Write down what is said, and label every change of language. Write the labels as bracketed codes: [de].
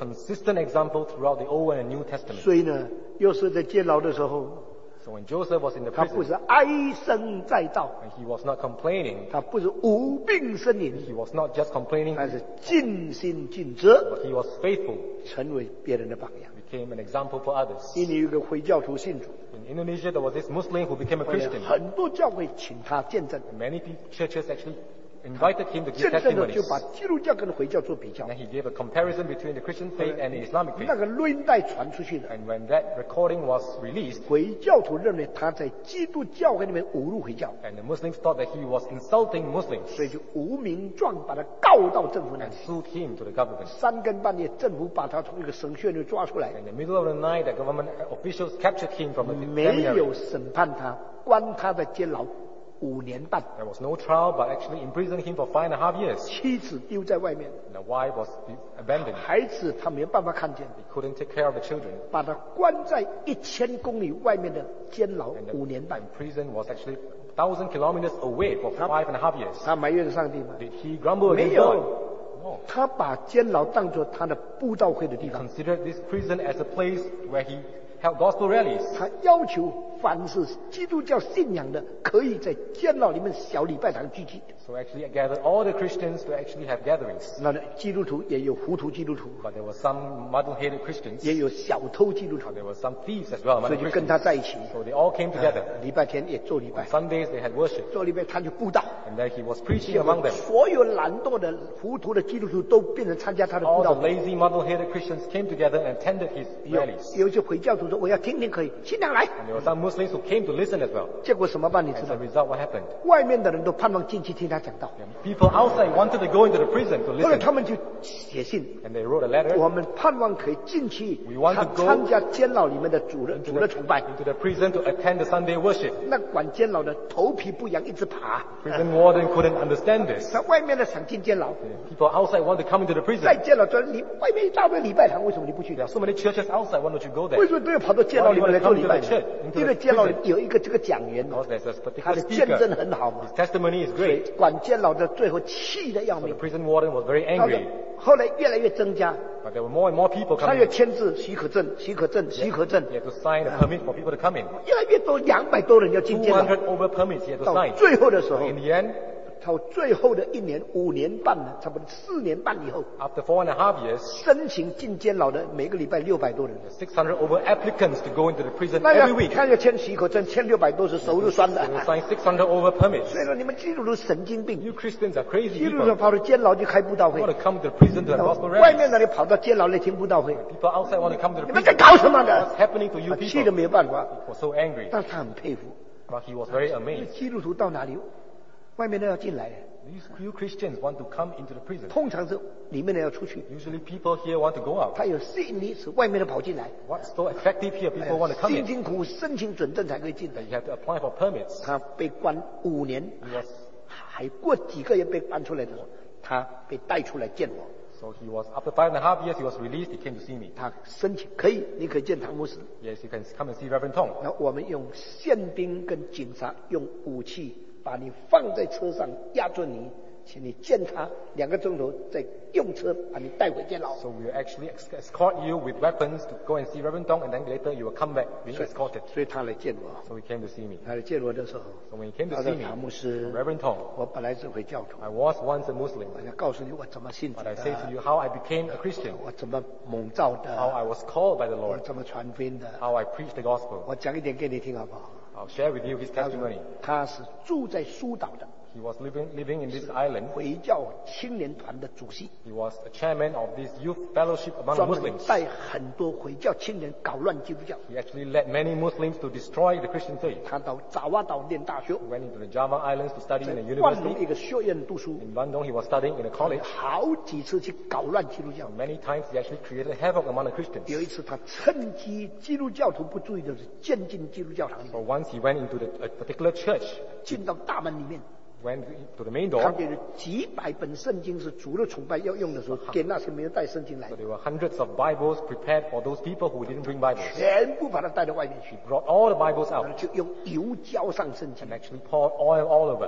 [en] consistent example throughout the Old and New Testament. [zh] 所以呢, 又是在监牢的时候, [en] so when Joseph was in the prison, [zh] 他不是哀声载道, [en] and he was not complaining, [zh] 他不是无病呻吟, [en] he was not just complaining, [zh] 但是尽心尽职, [en] but he was faithful, [zh] 成为别人的榜样, [en] became an example for others. [zh] 因为有个回教徒信主, [en] in Indonesia there was this Muslim who became a Christian, [zh] 很多教会请他见证, [en] and many churches actually invited him to give testimonies. [zh] 见证了就把基督教跟回教做比较, [en] and he gave a comparison between the Christian faith and the Islamic faith. [zh] 那个录音带传出去了, [en] and when that recording was released, [zh] 回教徒认为他在基督教会里面侮辱回教, [en] and the Muslims thought that he was insulting Muslims, [zh] 所以就无名状把他告到政府那里, [en] and sued him to the government. [zh] 三更半夜, 政府把他从一个审讯里抓出来, [en] and in the middle of the night, the government officials captured him from the seminary. [zh] 没有审判他, 关他在监牢, 五年半, [en] there was no trial, but actually imprisoned him for 5.5 years. [zh] 妻子丢在外面, [en] and the wife was abandoned. [zh] 孩子他没有办法看见, [en] he couldn't take care of the children. [zh] 把他关在1000公里外面的监牢, 五年半, [en] and prison was actually 1,000 kilometers away for 5.5 years. [zh] 他埋怨上帝吗? [en] Did he grumble against [zh] 没有, [en] God? [zh] 他把监牢当作他的布道会的地方, [en] he considered this prison as a place where he held gospel rallies. [zh] 他要求 凡是基督教信仰的可以在监牢里面小礼拜堂聚集, [en] so actually I gathered all the Christians to actually have gatherings. [zh] 那基督徒也有糊涂基督徒, [en] but there were some muddle-headed Christians, [zh] 也有小偷基督徒, [en] there were some thieves as well, [zh] 所以就跟他在一起, [en] so they all came together. [zh] 礼拜天也做礼拜, [en] on Sundays they had worship, [zh] 做礼拜他就布道, [en] and then he was preaching among them. [zh] 所有懒惰的糊涂的基督徒都变成参加他的布道, [en] all the lazy muddle-headed Christians came together and attended his rallies. [zh] 有些回教徒说, 我要听听可以, 尽量来, [en] and there were some Muslims who came to listen as well. [zh] 结果什么办, [en] as a result, what happened? [zh] 外面的人都盼望进去听他讲道, [en] people outside wanted to go into the prison to listen. [zh] 后来他们就写信, [en] and they wrote a letter. [zh] 我们盼望可以进去, [en] we want to go [zh] 参加监牢里面的主的, [en] into the prison to attend the Sunday worship. [zh] 那管监牢的头皮不痒, 一直爬, [en] prison warden couldn't understand this. [zh] 那外面的想进监牢, [en] people outside want to come into the prison. [zh] 在监牢说, 你外面一大堆礼拜堂, [en] there are so many churches outside, why don't you go there? [zh] 为什么都要跑到监牢里面来做礼拜呢? [en] Why don't you come to the church? [zh] 监牢有一个这个讲员, [en] speaker, [zh] 他的见证很好嘛, [en] his testimony is great. [zh] 管监牢的最后气得要命, [en] so the prison warden was very angry. [zh] 后来越来越增加, [en] but there were more and more people coming. [zh] 他要签字许可证, [en] he had to sign a permit for people to come in. [zh] 越来越多, 200多人要进监牢, [en] 200 over permits he had to sign. [zh] 最后的时候, [en] in the end, [zh] 他最后的一年五年半呢，差不多四年半以后 [en] after four and a half years [zh] 申请进监牢的每个礼拜六百多人 [en] 600 over applicants to go into the prison every week [zh] 看要签许可证签六百多是手都酸的 [en] sign 600 over permits [zh] 所以说你们基督徒神经病 [en] you Christians are crazy [zh] 基督徒跑到监牢就开布道会 [en] want to come to the prison to the gospel rally [zh] 外面那里跑到监牢来听布道会 [en] people outside want to come to the prison [zh] 你们在搞什么的 [en] what's happening to you people [zh] 气得没有办法 [en] he was so angry [zh] 但是他很佩服 [en] but he was very amazed [zh] 基督徒到哪里外面的要进来。 [en] These few Christians want to come into the prison. [zh] 通常是里面的要出去。 [en] Usually people here want to go out. [zh] 他有吸引力，使外面的跑进来。 [en] What's so effective here? People want to come in. [zh] 辛辛苦苦申请准证才可以进来。 [en] You have to apply for permits. [zh] 他被关五年。 [en] Yes. [zh] 还过几个月被搬出来的时候，他被带出来见我。 [en] So he was after five and a half years, he was released. He came to see me. [zh] 他申请可以，你可以见唐牧师。 [en] Yes, you can come and see Reverend Tong. [zh] 那我们用宪兵跟警察用武器。把你放在车上压住你，请你见他两个钟头，再用车把你带回监牢。 [en] So we actually escort you with weapons to go and see Reverend Tong, and then later you will come back being escorted. [zh] 所以他来见我。 [en] So he came to see me. [zh] 他来见我的时候。 [en] So when he came to see me, [zh] 唐牧师 [en] Reverend Tong, [zh] 我本来是回教徒。 [en] I was once a Muslim. [zh] 我要告诉你我怎么信主的。 [en] But I say to you how I became a Christian. [zh] 我怎么蒙召的。 [en] How I was called by the Lord. [zh] 我怎么传福音的。 [en] How I preached the gospel. [zh] 我讲一点给你听好不好？ [en] I'll share with you his testimony. [zh] 他是住在苏岛的。 [en] He was living in this island. [zh] 回教青年团的主席。 [en] He was a chairman of this youth fellowship among Muslims. [zh] 专门带很多回教青年搞乱基督教。 [en] He actually led many Muslims to destroy the Christian faith. [zh] 他到爪哇岛念大学。 [en] He went into the Java Islands to study in a university. [zh] 在万隆一个学院读书。 [en] In Bandung, he was studying in a college. [zh] 好几次去搞乱基督教。 [en] Many times he actually created havoc among the Christians. [zh] 有一次他趁机基督教徒不注意的时候渐进基督教堂里。 [en] So once he went into a particular church. [zh] 进到大门里面。 [en] Went to the main door. [zh] 他给了几百本圣经是主日崇拜要用的时候，给那些没有带圣经来。 [en] So there were hundreds of Bibles prepared for those people who didn't bring Bibles. [zh] 全部把它带到外面去。 [en] He brought all the Bibles out. [zh] 就用油浇上圣经。 [en] And actually poured oil all over.